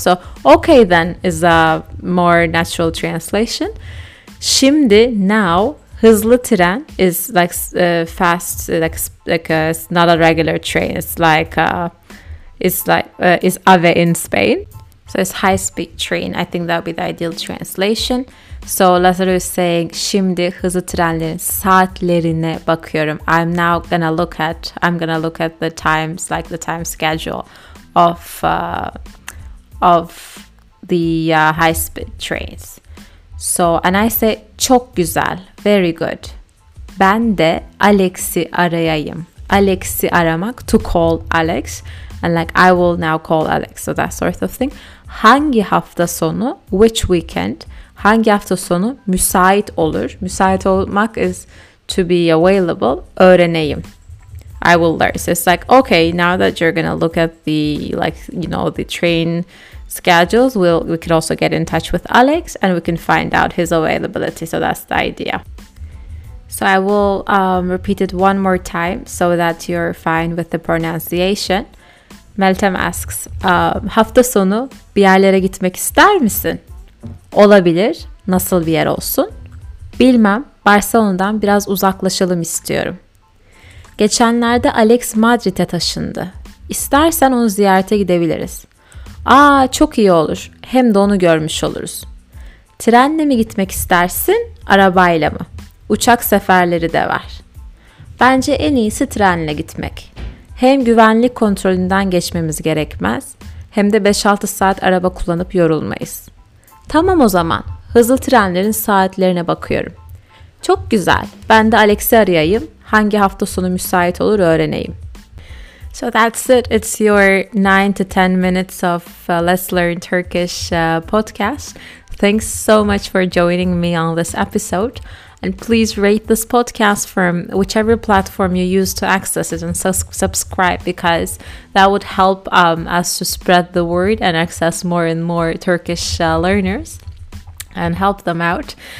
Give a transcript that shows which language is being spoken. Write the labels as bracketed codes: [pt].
[en] So, okay then, is a more natural translation. [tr] Şimdi, [en] now. [tr] Hızlı tren [en] is like fast, like it's not a regular train. It's AVE in Spain. So it's high speed train. I think that would be the ideal translation. So Lazaro is saying, [tr] şimdi hızlı trenlerin saatlerine bakıyorum. [en] I'm gonna look at the times, like the time schedule of the high speed trains. So, and I say, [tr] çok güzel, [en] very good. [tr] Ben de Alex'i arayayım. Alex'i aramak, [en] to call Alex. And like, I will now call Alex, so that sort of thing. [tr] Hangi hafta sonu, [en] which weekend, [tr] hangi hafta sonu müsait olur? Müsait olmak [en] is to be available. [tr] Öğreneyim. [en] I will learn. So it's like, okay, now that you're going to look at the, like, you know, the train schedules, we could also get in touch with Alex and we can find out his availability. So that's the idea. So I will repeat it one more time so that you're fine with the pronunciation. Meltem asks, [tr] hafta sonu bir yerlere gitmek ister misin? Olabilir. Nasıl bir yer olsun? Bilmem. Barcelona'dan biraz uzaklaşalım istiyorum. Geçenlerde Alex Madrid'e taşındı. İstersen onu ziyarete gidebiliriz. Aa, çok iyi olur. Hem de onu görmüş oluruz. Trenle mi gitmek istersin, arabayla mı? Uçak seferleri de var. Bence en iyisi trenle gitmek. Hem güvenlik kontrolünden geçmemiz gerekmez, hem de 5-6 saat araba kullanıp yorulmayız. Tamam o zaman, hızlı trenlerin saatlerine bakıyorum. Çok güzel, ben de Alex'i arayayım, hangi hafta sonu müsait olur öğreneyim. [en] So that's it. It's your 9 to 10 minutes of Let's Learn Turkish podcast. Thanks so much for joining me on this episode. And please rate this podcast from whichever platform you use to access it and subscribe, because that would help us to spread the word and access more and more Turkish learners and help them out.